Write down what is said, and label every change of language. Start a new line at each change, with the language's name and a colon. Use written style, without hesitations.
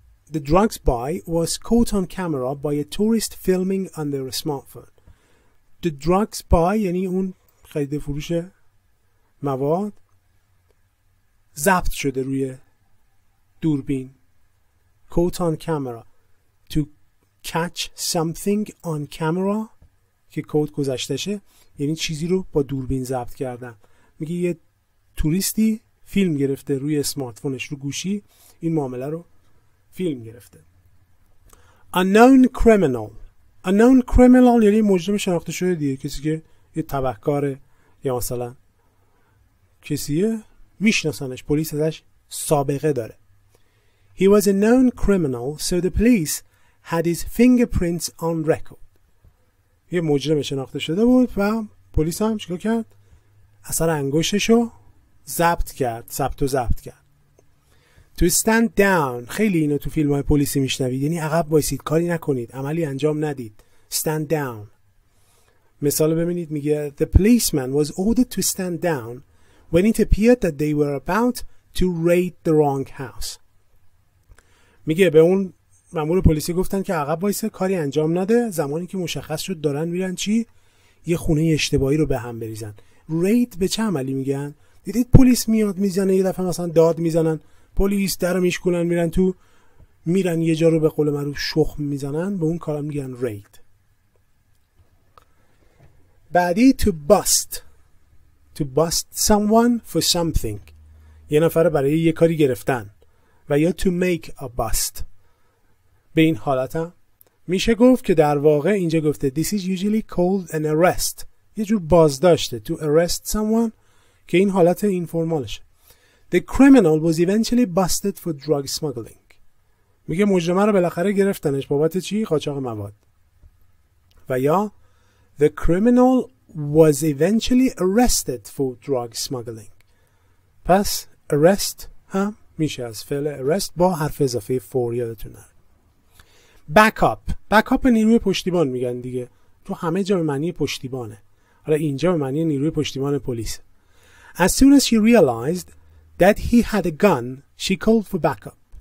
English: The drugs buy was caught on camera by a tourist filming on their smartphone. The drugs buy
Persian: یعنی اون خرید فروش مواد ضبط شده روی دوربین.
English: Caught on camera. To catch something on camera
Persian: که caught گذشته شه یعنی چیزی رو با دوربین ضبط کردن. میگه یه توریستی فیلم گرفته روی اسمارتفونش، رو گوشی، این معامله رو فیلم گرفته.
English: Unknown criminal
Persian: یعنی مجرم شناخته شده دیگه، کسی که یه تبهکاره یا مثلا کسیه میشناسنش، پلیس ازش سابقه داره.
English: He was a known criminal, so the police had his fingerprints on record.
Persian: یه مجرم شناخته شده بود و پلیس هم چیکار کرد؟ اثر انگشتشو ضبط کرد، ثبت و ضبط کرد.
English: To stand down.
Persian: خیلی اینو تو فیلم‌های پلیسی میشنوید، یعنی عقب وایسید، کاری نکنید، عملی انجام ندید.
English: Stand down.
Persian: مثال ببینید، میگه
English: The policeman was ordered to stand down when it appeared that they were about to raid the wrong house.
Persian: میگه به اون مأمور پلیسی گفتن که عقب وایسه، کاری انجام نده، زمانی که مشخص شد دارن میرن چی؟ یه خونه اشتباهی رو به هم بریزن. Raid به چه عملی میگن؟ دیدید پلیس میاد میزنه، یه دفعه مثلا داد میزنن، پلیس درو میشکنن، میرن تو، میرن یه جا رو به قول معروف شخم میزنن، به اون کارا میگن raid.
English: بعدی to bust. To bust someone for something.
Persian: یه نفر برای یه کاری گرفتن. و یا
English: to make a bust.
Persian: به این حالت هم میشه گفت که در واقع اینجا گفته
English: this is usually called an arrest.
Persian: یه جور بازداشته.
English: To arrest someone
Persian: که این حالت اینفرمالشه.
English: The criminal was eventually busted for drug smuggling.
Persian: میگه مجرمه رو بالاخره گرفتنش. بابت چی؟ قاچاق مواد. و یا
English: The criminal was eventually arrested for drug smuggling.
Persian: پس arrest هم میشه از فعل arrest با حرف اضافه for یادتون نره.
English: Backup.
Persian: Backup نیروی پشتیبان میگن دیگه. تو همه جا به معنی پشتیبانه. حالا اینجا به معنی نیروی پشتیبان پلیس.
English: As soon as she realized that he had a gun, she called for backup.